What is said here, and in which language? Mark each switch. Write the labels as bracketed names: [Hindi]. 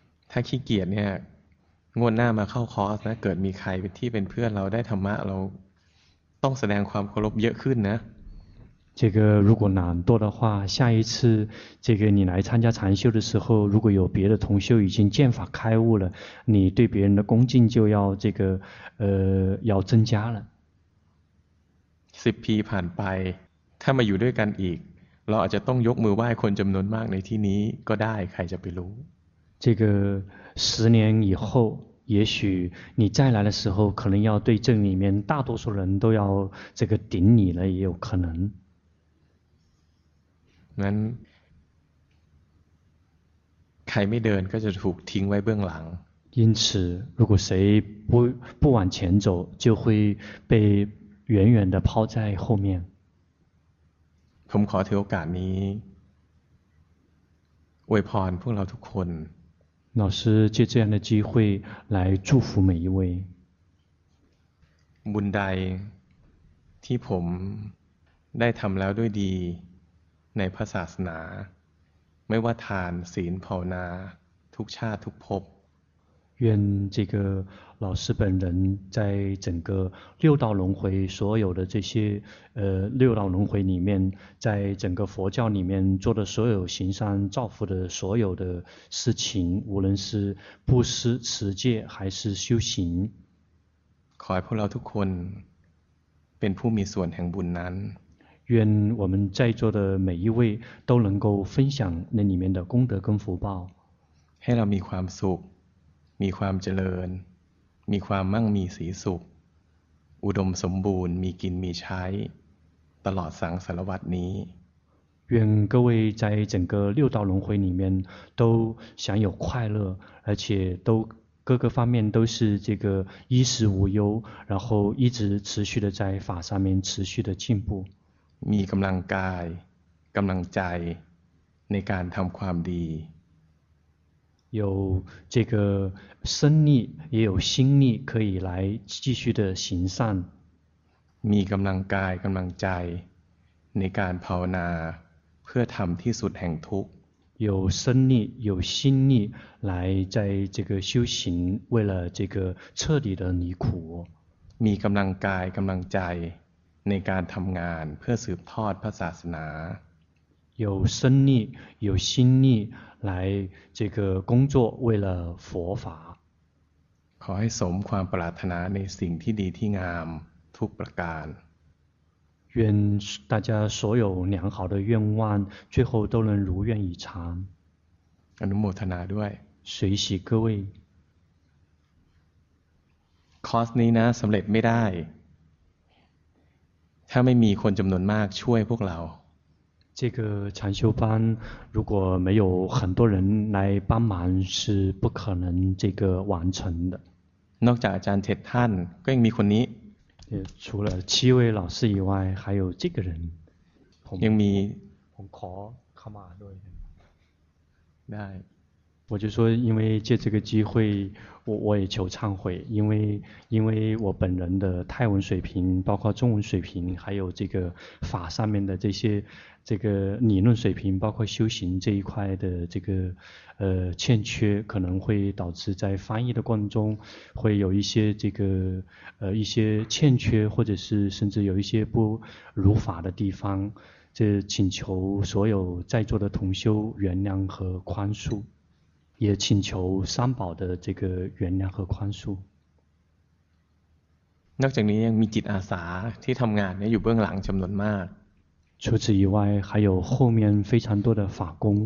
[Thai] ถ้าขี้เกียจเนี่ยงวดหน้ามาเข้าคอร์สนะเกิดมีใครที่เป็นเพื่อนเราได้ธรรมะเราต้องแสดงความเคารพเยอะขึ้นนะ [Chinese] 这个如果懒惰的话下一次这个你来参加禅修的时候如果有别的同修已经见法开悟了你对别人的恭敬就要这个要增加了 [Thai] 10ปีผ่านไปถ้ามาอยู่ด้วยกันอีกเราอาจจะต้องยกมือไหว้คนจำนวนมากในที่นี้ก็ได้ใครจะไปรู้ [Chinese] 这个十年以后也许你再来的时候可能要对这里面大多数人都要这个顶礼了也有可能 [Thai] นั้นใครไม่เดินก็จะถูกทิ้งไว้เบื้องหลัง [Chinese] 因此如果谁不往前走就会被远远的抛在后面 [Thai] ผมขอถือโอกาสนี้อวยพรพวกเราทุกคน [Chinese] 老师借这样的机会来祝福每一位 [Thai] บุญใดที่ผมได้ทำแล้วด้วยดีในพระศาสนาไม่ว่าทานศีลภาวนาทุกชาติทุกภพ [Chinese] 愿这个老师本人在整个六道轮回所有的这些六道轮回里面，在整个佛教里面做的所有行善造福的所有的事情，无论是布施持戒还是修行， [Thai] ขอให้พวกเราทุกคนเป็นผู้มีส่วนแห่งบุญนั้น [Chinese] 愿我们在座的每一位都能够分享那里面的功德跟福报， [Thai] ให้เรามีความสุขมีความเจริญมีความมั่งมีสีสุขอุดมสมบูรณ์มีกินมีใช้ตลอดสังสารวัฏนี้ [Chinese] 愿各位在整个六道轮回里面都享有快乐，而且都各个方面都是这个衣食无忧，然后一直持续的在法上面持续的进步， [Thai] มีกำลังกายกำลังใจในการทำความดี [Chinese] 有这个身力也有心力可以来继续的行善， [Thai] มีกำลังกายกำลังใจในการภาวนาเพื่อทำที่สุดแห่งทุกข์ [Chinese] 有身力有心力来在这个修行为了这个彻底的离苦， [Thai] มีกำลังกายกำลังใจในการทำงานเพื่อสืบทอดพระศาสนา [Chinese] 有身力有心力来这个工作为了佛法， [Thai] ขอให้สมความปรารถนาในสิ่งที่ดีที่งามทุกประการ [Chinese] 愿大家所有良好的愿望最后都能如愿以偿， [Thai] อนุโมทนาด้วย [Chinese] 随喜各位 [Thai] คอร์สนี้นะสำเร็จไม่ได้ถ้าไม่มีคนจำนวนมากช่วยพวกเรา [Chinese] 这个禅修班如果没有很多人来帮忙是不可能这个完成的。 [Thai] นอกจากอาจารย์เท็ดท่านก็ยังมีคนนี้ [Chinese] 除了七位老师以外还有这个人 [Thai] ยังมี ผมขอขมาด้วย ได้ [Chinese] 我就说因为借这个机会我也求忏悔，因为我本人的泰文水平包括中文水平还有这个法上面的这些这个理论水平包括修行这一块的这个欠缺，可能会导致在翻译的过程中会有一些这个一些欠缺，或者是甚至有一些不如法的地方，这请求所有在座的同修原谅和宽恕，也请求三宝的这个原谅和宽恕。 [Thai] นอกจากนี้ยังมีจิตอาสาที่ทำงานอยู่เบื้องหลังจำนวนมาก [Chinese] 除此以外还有后面非常多的法工，